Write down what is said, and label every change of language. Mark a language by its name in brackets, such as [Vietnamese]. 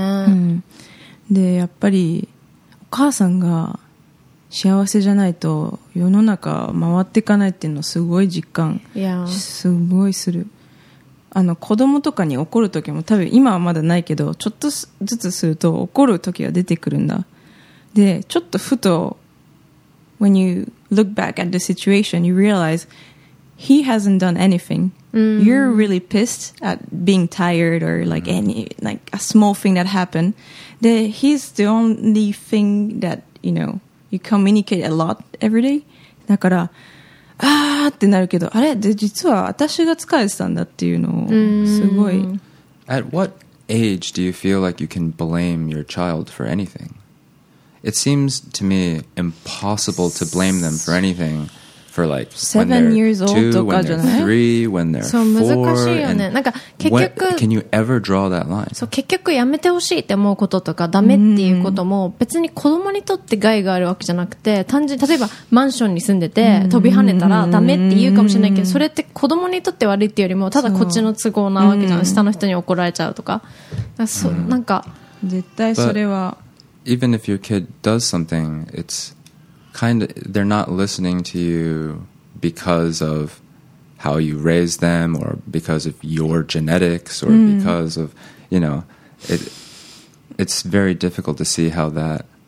[Japanese] うん、でやっぱりお母さんが幸せじゃないと世の中回っていかないっていうのすごい実感、いやすごいする。子供とかに怒る時も多分今はまだないけど、ちょっとずつすると怒る時が出てくるんだ。でちょっとふと [English] When you look back at the situation you realize he hasn't done anything、 mm-hmm. you're really pissed at being tired or like any like a small thing that happened. で he's the only thing that you knowyou communicate a lot every day. [Japanese] だからあーってなるけど、あれで実は私が疲れてたんだっていうのをすごい。 [English] At what age do you feel like you can blame your child for anything? It seems to me impossible to blame them for anything for like seven years old [Japanese] とかじゃない？ [English] three when they're four. [Japanese] そう難しいよね。なんか結局 [English] can you ever draw that line? [Japanese] そう結局やめてほしいって思うこととかダメっていうことも別に子供にとって害があるわけじゃなくて、単純例えばマンションに住んでて飛び跳ねたらダメって言うかもしれないけど、それって子供にとって悪いっていうよりもただこっちの都合なわけじゃん。下の人に怒られちゃうとか、なんか絶対それは。 [English] Even if your kid does something, it'sKind of, they're not listening to you because of how you raise them or because of your genetics or、mm. because of, you know, it's very difficult to see how that